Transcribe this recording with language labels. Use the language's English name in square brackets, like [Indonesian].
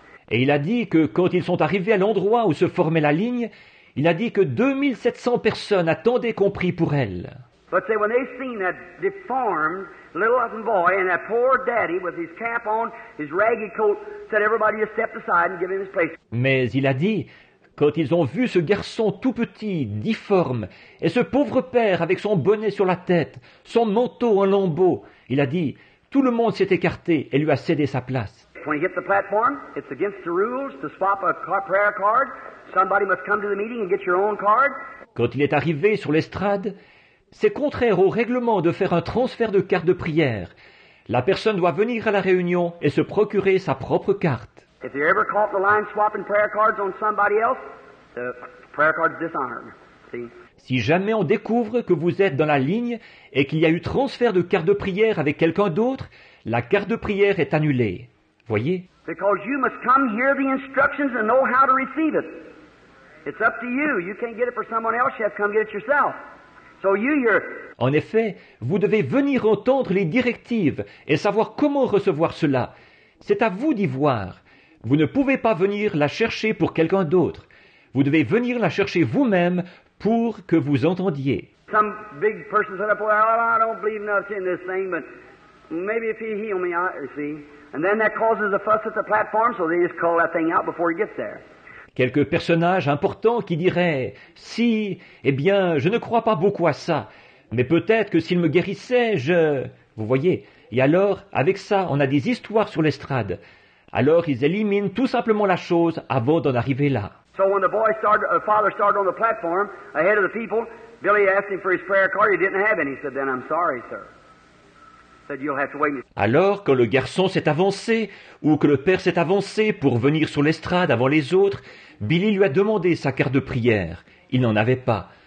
[French] Et il a dit que quand ils sont arrivés à l'endroit où se formait la ligne, il a dit que 2700 personnes attendaient qu'on prie pour elles. [English] But say, when they seen that deformed little orphan boy and that poor daddy with his cap on, his ragged coat, said everybody just step aside and give him his place. [French] Mais il a dit, quand ils ont vu ce garçon tout petit, difforme, et ce pauvre père avec son bonnet sur la tête, son manteau en lambeaux, il a dit, tout le monde s'est écarté et lui a cédé sa place. [English] When he hit the platform, it's against the rules to swap a prayer card. Somebody must come to the meeting and get your own card. [French] Quand il est arrivé sur l'estrade, c'est contraire au règlement de faire un transfert de carte de prière. La personne doit venir à la réunion et se procurer sa propre carte. [English] If you ever caught the line swapping prayer cards on somebody else, the prayer card's dishonored. See? [French] Si jamais on découvre que vous êtes dans la ligne et qu'il y a eu transfert de carte de prière avec quelqu'un d'autre, la carte de prière est annulée. Voyez? [English] Because you must come hear the instructions and know how to receive it. It's up to you. You can't get it for someone else. You have to come get it yourself. So you hear. [French] En effet, vous devez venir entendre les directives et savoir comment recevoir cela. C'est à vous d'y voir. Vous ne pouvez pas venir la chercher pour quelqu'un d'autre. Vous devez venir la chercher vous-même pour que vous entendiez. [English] Some big person said, "Well, I don't believe nothing in this thing, but maybe if he heal me, I see." And then that causes a fuss at the platform, so they just call that thing out before he gets there. [French] Quelques personnages importants qui diraient, si, eh bien, je ne crois pas beaucoup à ça, mais peut-être que s'il me guérissait, je... Vous voyez, et alors, avec ça, on a des histoires sur l'estrade. Alors, ils éliminent tout simplement la chose avant d'en arriver là. [English] So when the boy started, the father started on the platform, ahead of the people, Billy asked him for his prayer card, he didn't have any. He said, then I'm sorry, sir. [French] Alors, quand le garçon s'est avancé, ou que le père s'est avancé pour venir sur l'estrade avant les autres, Billy lui a demandé sa carte de prière. Il n'en avait pas.